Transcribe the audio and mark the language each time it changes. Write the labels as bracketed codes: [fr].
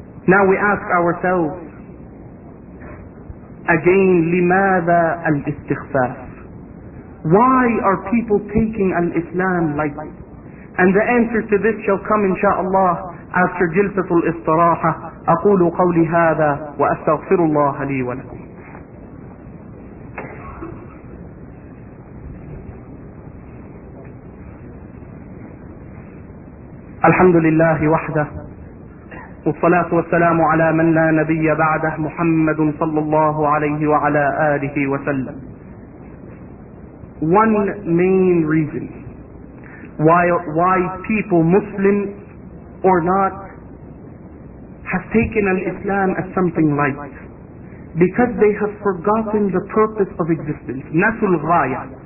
[en] Now we ask ourselves, again, [ar] لماذا الاستخفاف? [en] Why are people taking al-Islam lightly? And the answer to this shall come, inshaAllah, after [ar] جلسة الاستراحة. أقول قولي هذا وأستغفر الله لي ولكم. الحمد لله وحده والصلاة والسلام على من لا نبي بعده محمد صلى الله عليه وعلى آله وسلم. [en] One main reason why people, Muslims or not, have taken al-Islam as something light, because they have forgotten the purpose of existence, nasul ghaya.